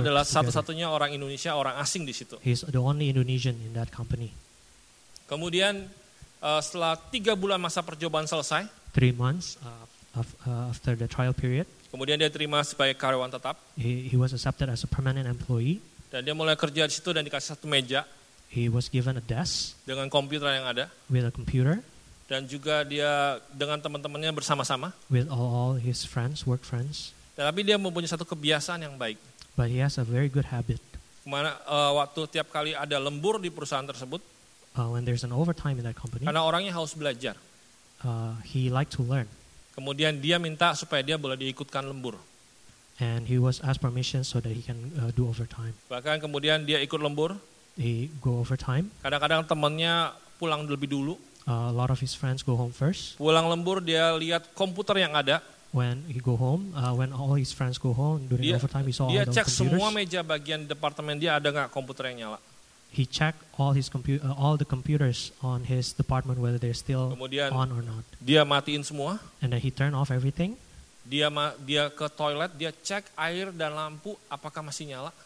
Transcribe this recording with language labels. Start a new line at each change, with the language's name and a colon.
Indonesian: adalah satu-satunya orang Indonesia, orang asing di situ.
English: He's the only Indonesian in that company.
Indonesian: Kemudian setelah 3 bulan masa percobaan selesai,
English: 3 months after the trial period,
Indonesian: kemudian dia diterima sebagai karyawan tetap.
English: He was accepted as a permanent employee.
Indonesian: Dan dia mulai kerja di situ dan dikasih satu meja.
English: He was given a desk
Indonesian: dengan komputer yang ada.
English: With a computer.
Indonesian: Dan juga dia dengan teman-temannya bersama-sama.
English: With all his friends, work friends.
Indonesian: Tetapi dia mempunyai satu kebiasaan yang baik.
English: But he has a very good habit.
Indonesian: Kemana waktu tiap kali ada lembur di perusahaan tersebut.
English: When there's an overtime in that company.
Indonesian: Karena orangnya haus belajar.
English: He liked to learn.
Indonesian: Kemudian dia minta supaya dia boleh diikutkan lembur.
English: And he was asked permission so that he can do overtime.
Indonesian: Bahkan kemudian dia ikut lembur.
English: He go overtime.
Indonesian: Kadang-kadang temannya pulang lebih dulu.
English: A lot of his friends go home first.
Indonesian: Pulang lembur dia lihat komputer yang ada.
English: When he go home, when all his friends go home during
Indonesian: dia,
English: overtime, he saw all the computers.
Indonesian: Dia cek semua meja bagian departemen dia ada nggak komputer yang nyala.
English: He check all his computer, all the computers on his department whether they're still
Indonesian: kemudian,
English: on or not.
Indonesian: Dia matiin semua.
English: And then he turn off everything.
Indonesian: Dia ke toilet, dia cek air dan lampu apakah masih nyala.